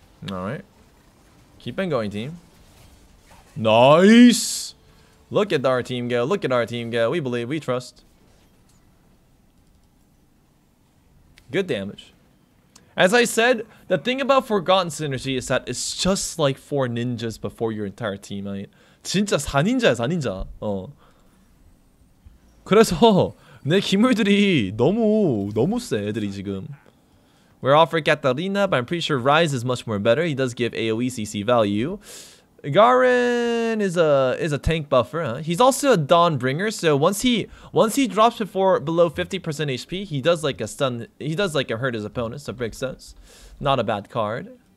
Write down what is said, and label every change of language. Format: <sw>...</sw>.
<en>Alright. Keep on going, team. Nice! Look at our team go. Look at our team go. We believe. We trust. Good damage. As I said, the thing about Forgotten Synergy is that it's just like four ninjas before your entire team, right?</en> <ko>진짜 4ninja야, 4ninja. 그래서 내 기물들이 너무 세, 애들이 지금.</ko> <en>We're all for Katarina, but I'm pretty sure Ryze is much more better. He does give AoE CC value. Garen is a tank buffer. Huh? He's also a Dawnbringer, so once he drops below 50% HP, he does a stun. He does hurt his opponent, so it makes sense. Not a bad card.</en>